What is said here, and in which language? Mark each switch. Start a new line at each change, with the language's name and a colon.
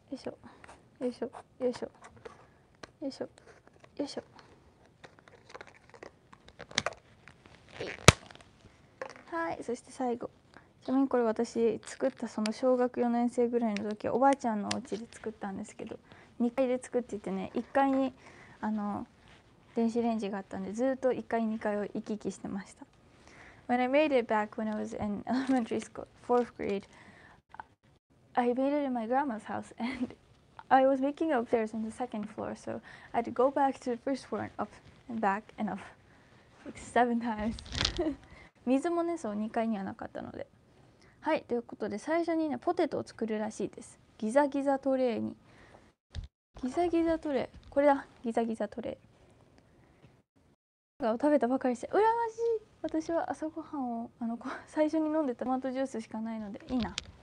Japanese: よいしょよいしょよいしょよいしょよいしょ、はい、そして最後、ちなみにこれ私作ったその小学4年生ぐらいの時はおばあちゃんのお家で作ったんですけど、2階で作っててね、1階にあの電子レンジがあったんで、ずっと1階2階を行き来してました。
English: When I made it back when I was in elementary school, fourth grade, I made it in my grandma's house and I was making it upstairs on the second floor, so I had to go back to the first floor and up and back and up like seven times
Japanese: 水もね、そう、2階にはなかったので。はい、ということで最初にねポテトを作るらしいです。ギザギザトレーに、ギザギザトレー、これだ、ギザギザトレーを食べたばかりして羨ましい。私は朝ごはんをあの最初に飲んでたトマトジュースしかないので、いいな。